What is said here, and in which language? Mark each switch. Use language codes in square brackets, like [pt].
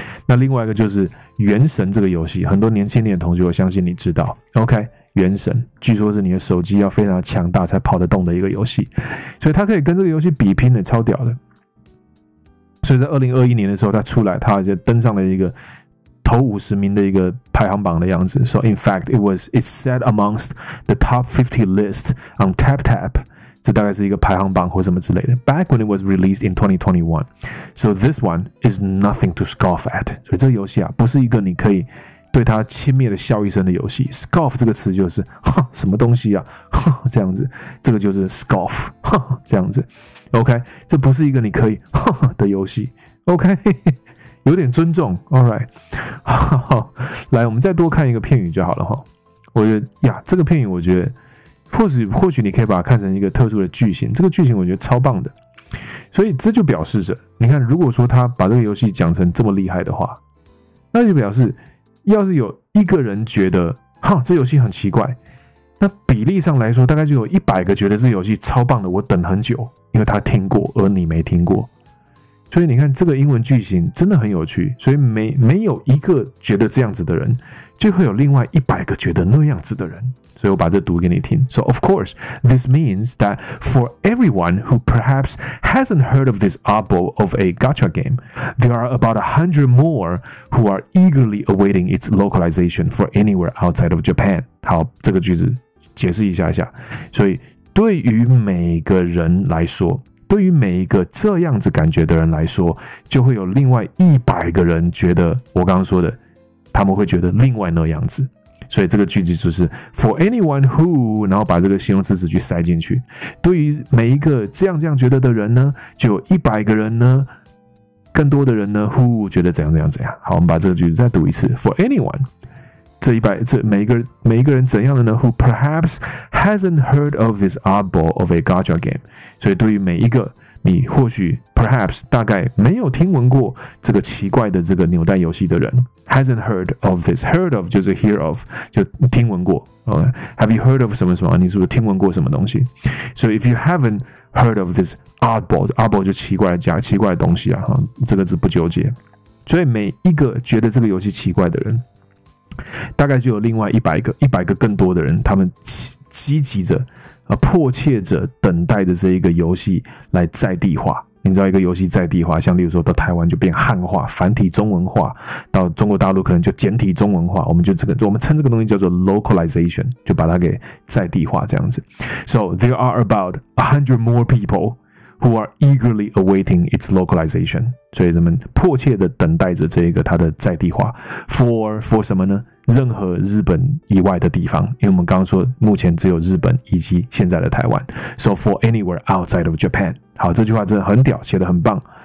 [zh] 那另外一个就是《原神》这个游戏，很多年轻的同学，我相信你知道。 OK，《原神》据说是你的手机要非常强大才跑得动的一个游戏，所以它可以跟这个游戏比拼的，超屌的。所以在2021年的时候，它出来，它就登上了一个头50名的一个排行榜的样子。 [en] So in fact, it's set amongst the top 50 list on TapTap。 [zh] 这大概是一个排行榜或什么之类的。 [en] Back when it was released in 2021, so this one is nothing to scoff at. [zh] 所以这个游戏啊，不是一个你可以对它轻蔑的笑一声的游戏。 Scoff 这个词就是哼，什么东西啊，哼，这样子。这个就是 scoff， 哼，这样子。OK， 这不是一个你可以哼的游戏。 OK， 有点尊重。 [en] All right， [zh] 来，我们再多看一个片语就好了哈。我觉得呀，这个片语我觉得。或许你可以把它看成一个特殊的句型，这个句型我觉得超棒的。所以这就表示着，你看，如果说他把这个游戏讲成这么厉害的话，那就表示，要是有一个人觉得，哈，这游戏很奇怪，那比例上来说，大概就有100个觉得这游戏超棒的，我等很久，因为他听过，而你没听过。所以你看，这个英文句型真的很有趣。所以没有一个觉得这样子的人，就会有另外100个觉得那样子的人。所以我把这读给你听。 [en] So of course, this means that for everyone who perhaps hasn't heard of this oddball of a gacha game, there are about 100 more who are eagerly awaiting its localization for anywhere outside of Japan. [zh] 好，这个句子解释一下。所以对于每个人来说，对于每一个这样子感觉的人来说，就会有另外100个人觉得我刚刚说的，他们会觉得另外那样子。所以这个句子就是 [en] for anyone who， [zh] 然后把这个形容词词句塞进去。对于每一个这样觉得的人呢，就有100个人呢，更多的人呢 who 觉得怎样。好，我们把这个句子再读一次 [en] for anyone。 [zh] 这每一个人怎样的呢 [en] ？Who perhaps hasn't heard of this oddball of a gacha game？ [zh] 所以对于每一个你或许 perhaps 大概没有听闻过这个奇怪的这个扭蛋游戏的人 ， [en] hasn't heard of this heard of [zh] 就是 [en] hear of [zh] 就听闻过。 [en] Have you heard of [zh] 什么什么？你是不是听闻过什么东西？所以 [en] if you haven't heard of this oddball [zh] 就奇怪的东西啊，哈，这个字不纠结。所以每一个觉得这个游戏奇怪的人。大概就有另外100个更多的人，他们积极着、迫切着等待着这一个游戏来在地化。你知道一个游戏在地化，像例如说到台湾就变汉化、繁体中文化，到中国大陆可能就简体中文化，我们称这个东西叫做 localization， 就把它给在地化这样子。 [en] So there are about 100 more people who are eagerly awaiting its localization。 [zh] 所以人们迫切的等待着这个它的在地化 for 什么呢？任何日本以外的地方，因为我们刚刚说目前只有日本以及现在的台湾 ， [en] so for anywhere outside of Japan。 [zh] 好，这句话真的很屌，写得很棒。